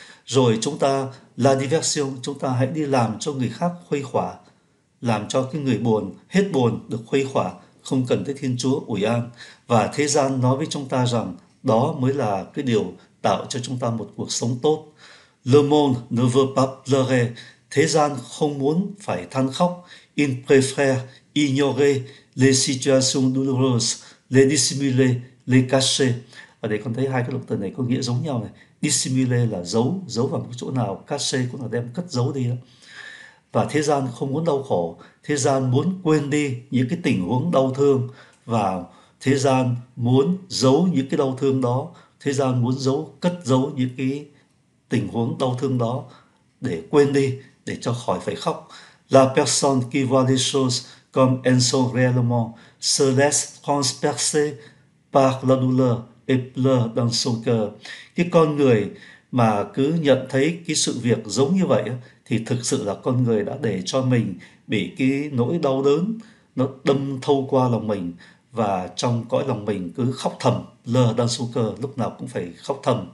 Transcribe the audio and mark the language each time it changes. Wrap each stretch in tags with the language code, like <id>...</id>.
<vi>Rồi chúng ta, la diversion, chúng ta hãy đi làm cho người khác khuây khỏa, làm cho cái người buồn, hết buồn được khuây khỏa, không cần tới Thiên Chúa ủi an. Và thế gian nói với chúng ta rằng đó mới là cái điều tạo cho chúng ta một cuộc sống tốt.</vi> <fr>Le monde ne veut pas pleurer.</fr> <vi>Thế gian không muốn phải than khóc.</vi> <fr>Il préfère ignorer les situations douloureuses, les dissimuler, les cacher.</fr> <vi>Ở đây con thấy hai cái động từ này có nghĩa giống nhau này. Dissimulare là giấu, giấu vào một chỗ nào. Cache cũng là đem cất giấu đi đó. Và thế gian không muốn đau khổ, thế gian muốn quên đi những cái tình huống đau thương, và thế gian muốn giấu những cái đau thương đó, thế gian muốn giấu, cất giấu những cái tình huống đau thương đó để quên đi, để cho khỏi phải khóc.</vi> <fr>La personne qui voit les choses comme elles sont réellement se laisse transpercer par la douleur et pleure dans son cœur.</fr> <vi>Cái con người mà cứ nhận thấy cái sự việc giống như vậy thì thực sự là con người đã để cho mình bị cái nỗi đau đớn nó đâm thâu qua lòng mình, và trong cõi lòng mình cứ khóc thầm, lờ đang su cơ, lúc nào cũng phải khóc thầm.</vi>